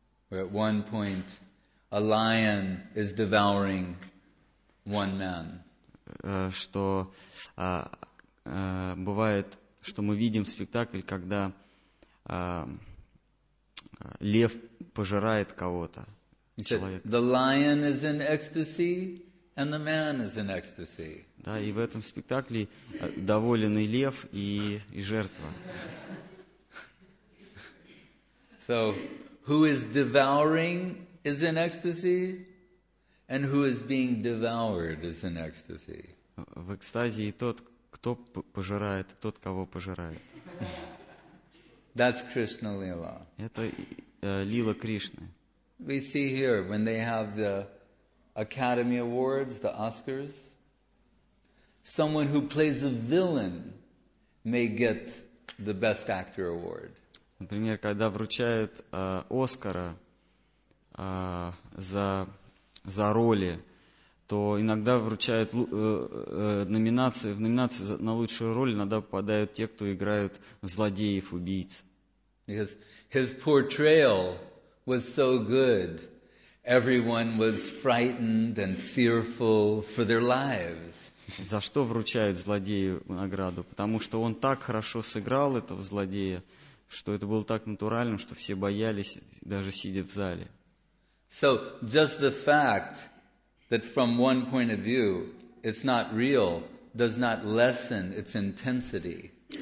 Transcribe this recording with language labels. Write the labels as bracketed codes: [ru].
[en] Where at one point a lion is devouring one man. [ru] Что бывает, что мы видим спектакль, когда лев пожирает кого-то, человека. [en] The lion is in ecstasy and the man is in ecstasy. [ru] Да, и в этом спектакле доволенный лев и жертва. [en] So, who is devouring is in ecstasy and who is being devoured is in ecstasy. [ru] В экстазе и тот, кто пожирает, тот, кого пожирает. [en] That's Krishna Lila. [ru] Это Лила Кришны. [en] We see here when they have the Academy Awards, the Oscars, someone who plays a villain may get the Best Actor Award. [ru] Например, когда вручают Оскара за роли, то иногда вручают номинации, в номинации на лучшую роль иногда попадают те, кто играют злодеев, убийц. [en] Because his portrayal was so good, everyone was frightened and fearful for their lives. [ru] За что вручают злодею награду? Потому что он так хорошо сыграл этого злодея, что это было так натурально, что все боялись, даже сидя в зале. [en] So just the fact that from one point of view it's not real does not lessen its intensity.